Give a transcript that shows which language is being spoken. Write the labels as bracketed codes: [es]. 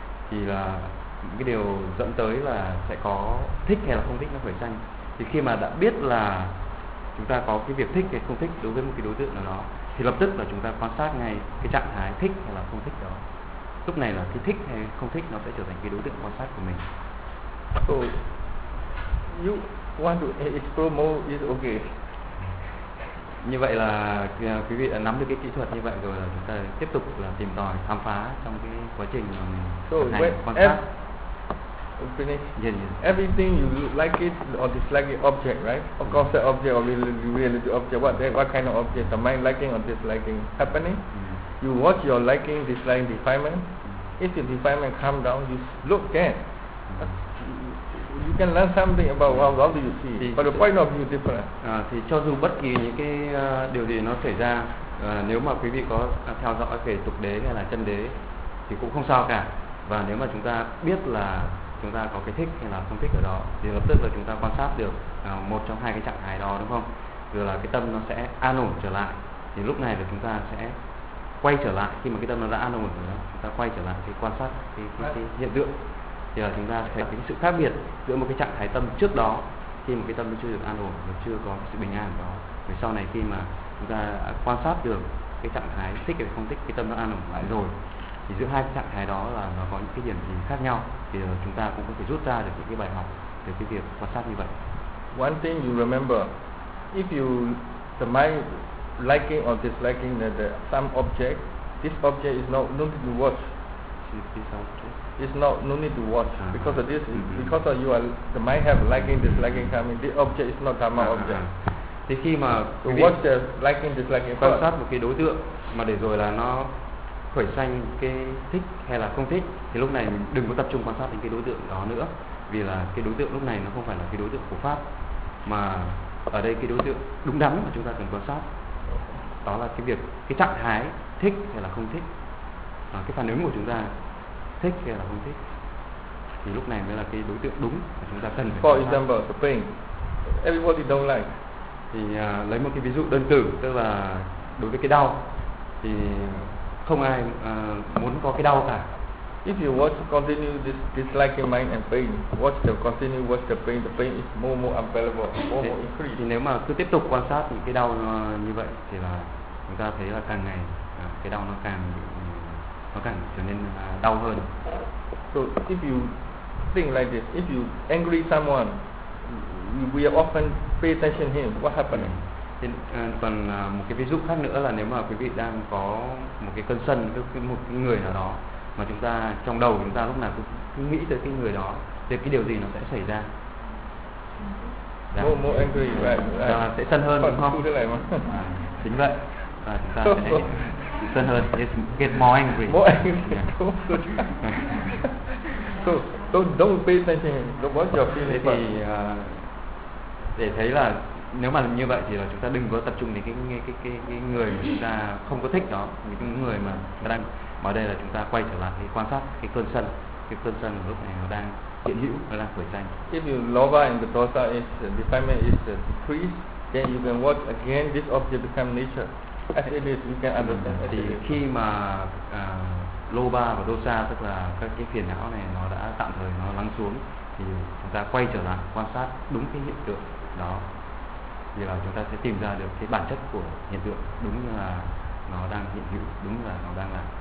[vi] Thì là cái điều dẫn tới là sẽ có thích hay là không thích nó khởi sanh. Thì khi mà đã biết là chúng ta có cái việc thích hay không thích đối với một cái đối tượng nào đó thì lập tức là chúng ta quan sát ngay cái trạng thái thích hay là không thích đó. Lúc này là cái thích hay không thích nó sẽ trở thành cái đối tượng quan sát của mình. [en] So you want to explore more is okay. [vi] Như vậy là quý vị đã nắm được cái kỹ thuật như vậy rồi, là chúng ta tiếp tục là tìm tòi khám phá trong cái quá trình mà mình quan sát. [en] Yeah. Everything you like it or dislike it, object, right? Of course, the object or reality object, what kind of object, the mind liking or disliking happening? You watch your liking, disliking, defilement. If your defilement calm down, you look again. You can learn something about what do you see, but the point of view is different. [vi] Thì cho dù bất kỳ những cái điều gì nó xảy ra, nếu mà quý vị có theo dõi về tục đế hay là chân đế thì cũng không sao cả. Và nếu mà chúng ta biết là chúng ta có cái thích hay là không thích ở đó thì lập tức là chúng ta quan sát được một trong hai cái trạng thái đó, đúng không? Rồi là cái tâm nó sẽ an ổn trở lại, thì lúc này là chúng ta sẽ quay trở lại, khi mà cái tâm nó đã an ổn rồi, chúng ta quay trở lại cái quan sát cái hiện tượng, thì là chúng ta sẽ thấy cái sự khác biệt giữa một cái trạng thái tâm trước đó, khi mà cái tâm nó chưa được an ổn và chưa có sự bình an đó, rồi sau này khi mà chúng ta quan sát được cái trạng thái thích hay không thích, cái tâm nó an ổn lại rồi, thì giữa hai cái trạng thái đó là nó có những cái điểm gì khác nhau, thì chúng ta cũng có thể rút ra được những cái bài học từ cái việc quan sát như vậy. [en] One thing you remember, if you the mind liking or disliking the some object, this object is not no need to watch. This object is not no need to watch because of this because of you are the mind have liking, disliking coming. This object is not dharma object. [vi] Thì khi mà [en] to watch the liking, disliking [vi] quan sát một cái đối tượng mà để rồi là nó khởi sanh cái thích hay là không thích, thì lúc này mình đừng có tập trung quan sát đến cái đối tượng đó nữa, vì là cái đối tượng lúc này nó không phải là cái đối tượng của pháp, mà ở đây cái đối tượng đúng đắn mà chúng ta cần quan sát đó là cái việc, cái trạng thái thích hay là không thích, cái phản ứng của chúng ta thích hay là không thích. thì lúc này mới là cái đối tượng đúng mà chúng ta cần. [en] For example, the pain. Everybody don't like. [vi] Thì lấy một cái ví dụ đơn cử, tức là đối với cái đau thì không ai muốn có cái đau cả. [en] If you want to continue this disliking mind and pain, watch the continue watch the pain is more more unbearable, more more increase. [vi] Thì nếu mà cứ tiếp tục quan sát những cái đau như vậy thì là chúng ta thấy là càng ngày cái đau nó càng trở nên đau hơn. [en] So if you think like this, if you angry someone, we often pay attention to him, what happened? [vi] Thì còn một cái ví dụ khác nữa là nếu mà quý vị đang có một cái cơn sân với một người nào đó mà chúng ta trong đầu chúng ta lúc nào cũng nghĩ tới cái người đó thì cái điều gì nó sẽ xảy ra? [en] More angry, right. [vi] Sẽ sân hơn đúng không? Chính vậy. Chúng ta sẽ sân hơn, [en] get more angry. More angry. So don't pay attention, don't watch your feelings. [vi] Thế thì để thấy là nếu mà như vậy thì là chúng ta đừng có tập trung đến cái người mà chúng ta không có thích đó, những người mà đang mà ở đây là chúng ta quay trở lại cái quan sát cái cơn sân lúc này nó đang hiện hữu, nó đang khởi tranh. [en] If you lova and the dosa is defilement is decreased, then you can watch again this object become nature. As it is, you can understand. [vi] Thì khi mà lova và dosa tức là các cái phiền não này nó đã tạm thời nó lắng xuống thì chúng ta quay trở lại quan sát đúng cái hiện tượng đó. Vì là chúng ta sẽ tìm ra được cái bản chất của hiện tượng đúng như là nó đang hiện hữu, đúng là nó đang là.